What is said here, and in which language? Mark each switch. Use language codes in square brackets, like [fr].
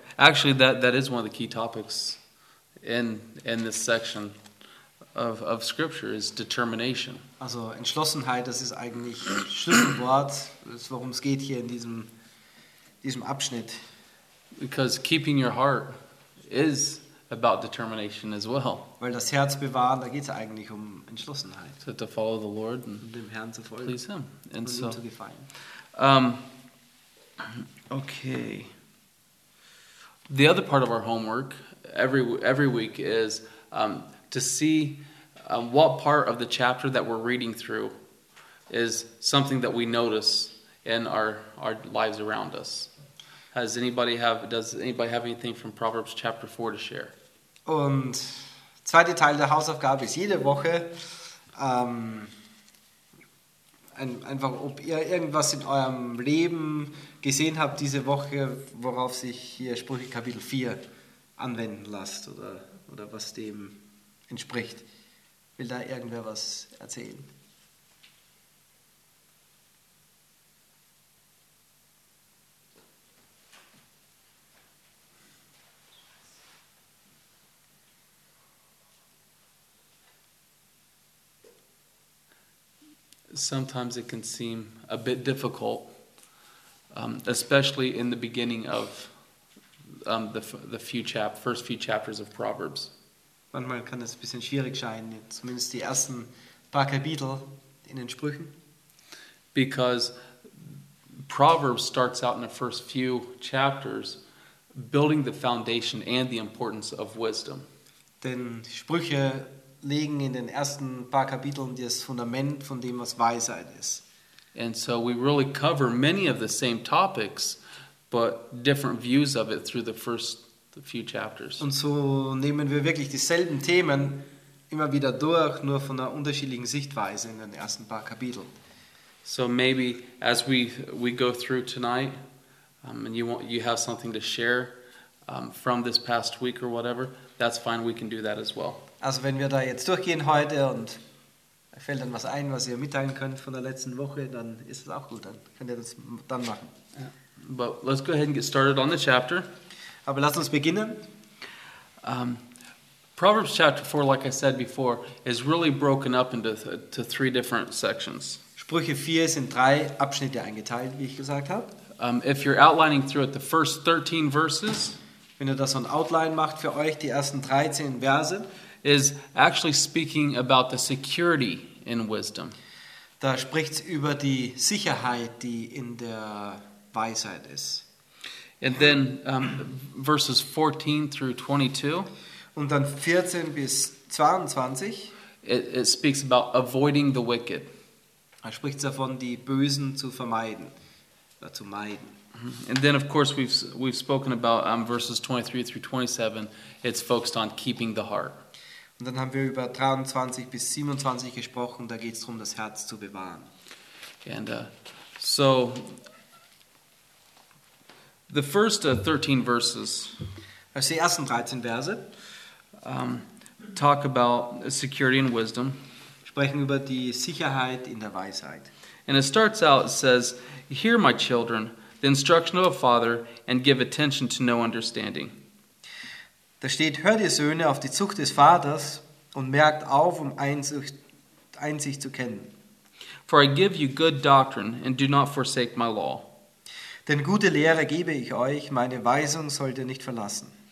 [en] Actually, that is one of the key topics in this section of scripture is determination. [de] Also Entschlossenheit, das ist eigentlich Schlüsselwort, das ist, worum es geht hier in diesem Abschnitt. [en] Because keeping your heart is about determination as well. [de] Weil das Herz bewahren, da geht es eigentlich um Entschlossenheit. [en] So to follow the Lord and [de] dem Herrn zu folgen, [en] please him. And so, [de] ihm zu gefallen. [en] Okay. The other part of our homework every week is to see what part of the chapter that we're reading through is something that we notice in our lives around us. Does anybody have anything from Proverbs chapter 4 to share? [de] Und zweiter Teil der Hausaufgabe ist jede Woche einfach, ob ihr irgendwas in eurem Leben gesehen habt diese Woche, worauf sich hier Sprüche Kapitel 4 anwenden lasst oder was dem entspricht. Will da irgendwer was erzählen? [en] Sometimes it can seem a bit difficult, especially in the beginning of the first few chapters of Proverbs. [de] Manchmal kann es ein bisschen schwierig scheinen, zumindest die ersten paar Kapitel in den Sprüchen. [en] Because Proverbs starts out in the first few chapters building the foundation and the importance of wisdom. [de] Denn Sprüche legen in den ersten paar Kapiteln das Fundament von dem, was Weisheit ist. [en] And so we really cover many of the same topics, but different views of it through the first few chapters. [de] Und so nehmen wir wirklich dieselben Themen immer wieder durch, nur von einer unterschiedlichen Sichtweise in den ersten paar Kapiteln. [en] So maybe as we go through tonight, and you have something to share from this past week or whatever, that's fine, we can do that as well. [de] Also wenn wir da jetzt durchgehen heute und fällt dann was ein, was ihr mitteilen könnt von der letzten Woche, dann ist es auch gut, dann könnt ihr das dann machen. [en] Yeah. But let's go ahead and get started on the chapter. [de] Aber lasst uns beginnen. [en] Proverbs chapter 4, like I said before, is really broken up into to three different sections. [de] Sprüche 4 sind drei Abschnitte eingeteilt, wie ich gesagt habe. [en] If you're outlining through it, the first 13 verses, [de] wenn ihr das so ein Outline macht für euch, die ersten 13 Verse, [en] is actually speaking about the security in wisdom. [de] Da spricht's über die Sicherheit, die in der Weisheit ist. [en] And then verses 14 through 22. [de] Und dann 14 bis 22. [en] It speaks about avoiding the wicked. [de] Da spricht davon, die Bösen zu vermeiden oder zu meiden. [en] And then, of course, we've spoken about verses 23 through 27. It's focused on keeping the heart. [de] Und dann haben wir über 23 bis 27 gesprochen, da geht es darum, das Herz zu bewahren. [en] And so, the first 13 verses, [de] also die ersten 13 Verse, [en] talk about security and wisdom, [de] sprechen über die Sicherheit in der Weisheit. [en] And it starts out, it says, "Hear, my children, the instruction of a father, and give attention to no understanding." [de] Da steht, hört ihr Söhne auf die Zucht des Vaters und merkt auf, um Einsicht zu kennen. [en] For I give you good doctrine, and do not forsake my law. [de] Denn gute Lehre gebe ich euch, meine Weisung sollt ihr nicht verlassen.